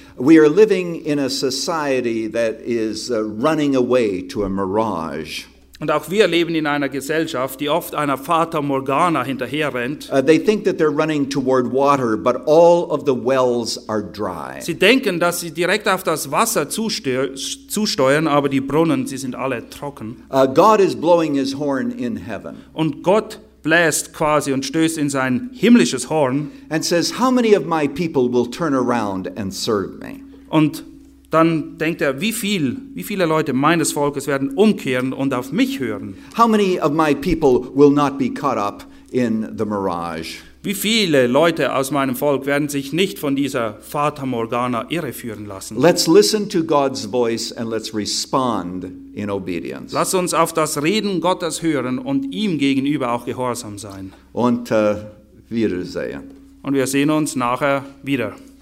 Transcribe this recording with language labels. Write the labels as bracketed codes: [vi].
[en] We are living in a society that is running away to a mirage. [de] Und auch wir leben in einer Gesellschaft, die oft einer Fata Morgana hinterher rennt. [en] They think that they're running toward water, but all of the wells are dry. [de] Sie denken, dass sie direkt auf das Wasser zusteuern, aber die Brunnen, sie sind alle trocken. [en] God is blowing his horn in heaven. [de] Und Gott bläst quasi und stößt in sein himmlisches Horn. [en] And says, how many of my people will turn around and serve me? [de] Und dann denkt er, wie viele Leute meines Volkes werden umkehren und auf mich hören? [en] How many of my people will not be caught up in the mirage? [de] Wie viele Leute aus meinem Volk werden sich nicht von dieser Fata Morgana irreführen lassen? [en] Let's listen to God's voice and let's respond in obedience. [de] Lass uns auf das Reden Gottes hören und ihm gegenüber auch gehorsam sein. Und wiedersehen. Und wir sehen uns nachher wieder.